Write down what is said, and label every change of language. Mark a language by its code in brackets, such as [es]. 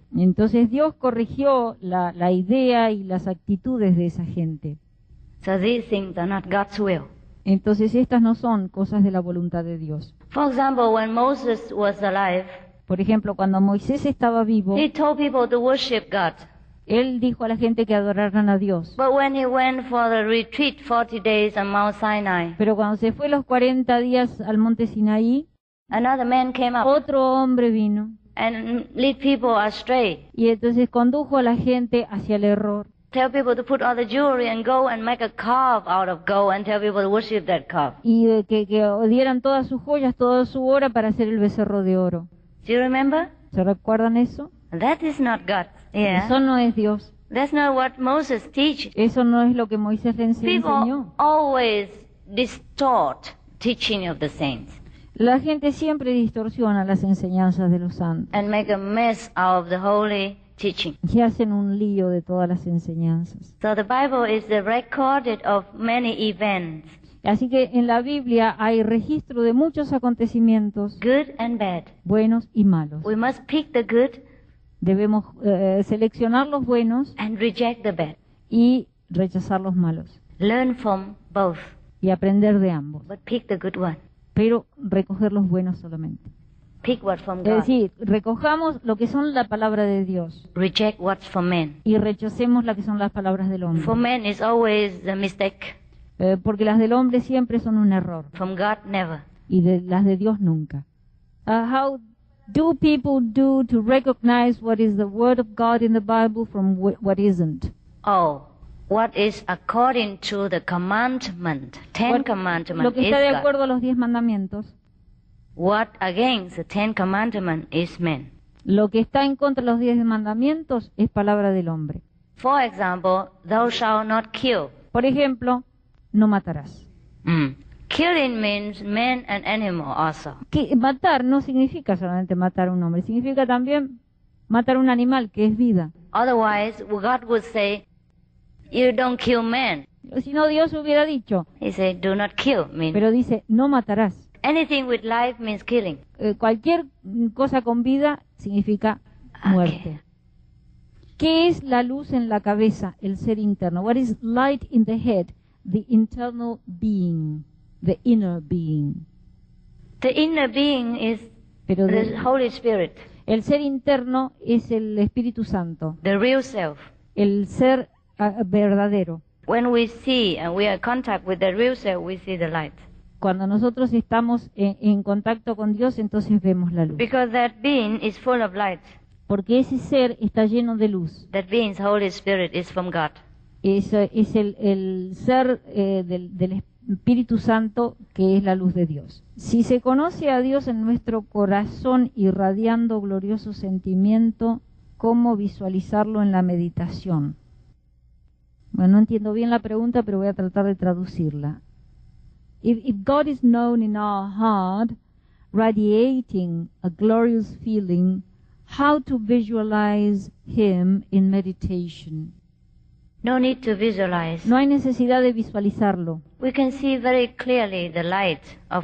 [es] Entonces Dios corrigió la idea y las actitudes de esa gente. [en] So these things are not God's will. [es] Entonces estas no son cosas de la voluntad de Dios. [en] For example, when Moses was alive, [es] por ejemplo, cuando Moisés estaba vivo, [en] he told people to worship God. [es] Él dijo a la gente que adoraran a Dios. [en] But when he went for the retreat 40 days on Mount Sinai, [es] pero cuando se fue los 40 días al monte Sinaí, [en] another man came up. [es] Otro hombre vino. [en] And lead people astray. [es] Y entonces condujo a la gente hacia el error. [en] Tell people to put all the jewelry and go and make a calf out of gold and tell people to worship that calf. [es] Y que dieran todas sus joyas, toda su oro para hacer el becerro de oro. [en] Do you remember? [es] ¿Se recuerdan eso? [en] That is not God. Yeah. [es] Eso no es Dios. [en] That's not what Moses teach. [es] Eso no es lo que Moisés enseñó. [en] People always distort teaching of the saints. [es] La gente siempre distorsiona las enseñanzas de los santos. [en] And make a mess out of the holy teaching. [es] Y hacen un lío de todas las enseñanzas. [en] So the Bible is the recorded of many events. [es] Así que en la Biblia hay registro de muchos acontecimientos. [en] Good and bad. [es] Buenos y malos. [en] We must pick the good. [es] Debemos seleccionar los buenos. [en] And reject the bad. [es] Y rechazar los malos. [en] Learn from both. [es] Y aprender de ambos. [en] But pick the good one. [es] Pero recoger los buenos solamente. [en] Pick what from God. [es] Es decir, recojamos lo que son la palabra de Dios. [en] Reject what's for men. [es] Y rechacemos lo que son las palabras del hombre. [en] For men is always a mistake. [es] Porque las del hombre siempre son un error. [en] From God, never. [es] Y de las de Dios nunca. [en] How do people do to recognize what is the word of God in the Bible from what isn't? Oh. What is according to the commandment, Ten Commandments is God. [es] Lo que está de acuerdo a los diez mandamientos. [en] What against the Ten Commandments is man. [es] Lo que está en contra de los diez mandamientos es palabra del hombre. [en] For example, thou shalt not kill. [es] Por ejemplo, no matarás. [en] Mm. Killing means man and animal also. [es] Que matar no significa solamente matar a un hombre, significa también matar a un animal que es vida. [en] Otherwise, God would say, you don't kill men. [es] Si no, Dios hubiera dicho. [en] He said, do not kill men. [es] Pero dice, no matarás. [en] Anything with life means killing. [es] Cualquier cosa con vida significa muerte. Okay. ¿Qué es la luz en la cabeza, el ser interno? [en] What is light in the head, the internal being, the inner being? The inner being is the Holy Spirit. [es] El ser interno es el Espíritu Santo. [en] The real self. [es] El ser verdadero. [en] When we see and we are in contact with the real self, we see the light. [es] Cuando nosotros estamos en contacto con Dios, entonces vemos la luz. [en] Because that being is full of light. [es] Porque ese ser está lleno de luz. [en] That being the Holy Spirit is from God. [es] Es el ser del Espíritu Santo, que es la luz de Dios. Si se conoce a Dios en nuestro corazón irradiando glorioso sentimiento, ¿cómo visualizarlo en la meditación? Bueno, no entiendo bien la pregunta, pero voy a tratar de traducirla. [en] If God is known in our heart, radiating a glorious feeling, how to visualize Him in meditation? No need to visualize. [es] No hay necesidad de visualizarlo. [en] We can see very clearly the light of